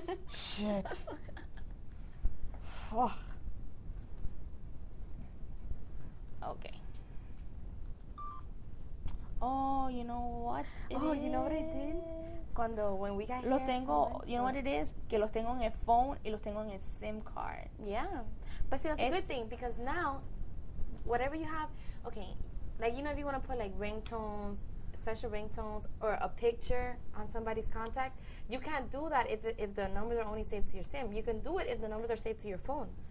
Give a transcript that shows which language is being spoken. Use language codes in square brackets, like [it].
[en] Shit. Oh. Okay. Oh, you know what? You know what I did? When we got lo here. [es] Tengo, [en] you know what it is? [es] Que los tengo en el phone y los tengo en el SIM card. [en] Yeah. But see, that's a good thing because now, whatever you have, okay. Like, you know, if you want to put, like, ringtones, special ringtones, or a picture on somebody's contact, you can't do that if the numbers are only saved to your SIM. You can do it if the numbers are saved to your phone.